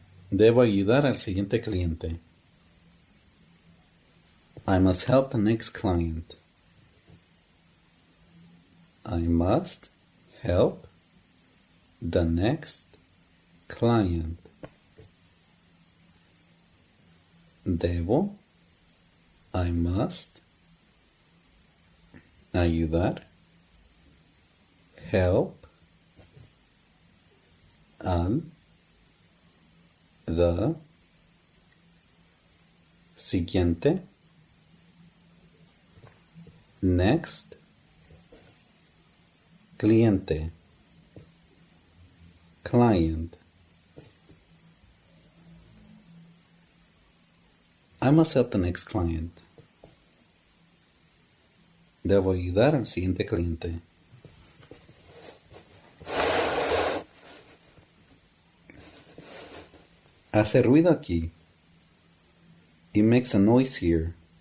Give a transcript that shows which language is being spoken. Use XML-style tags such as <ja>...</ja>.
<es>Debo ayudar al siguiente cliente.</es> <en>I must help the next client. I must help the next client.</en> <es>Debo,</es> <en>I must,</en> <es>ayudar,</es> <en>help,</en> <es>al,</es> <en>the,</en> <es>siguiente,</es> <en>next, cliente, client. I must help the next client.</en> <es>Debo ayudar al siguiente cliente. Hace ruido aquí.</es> <en>It makes a noise here.</en>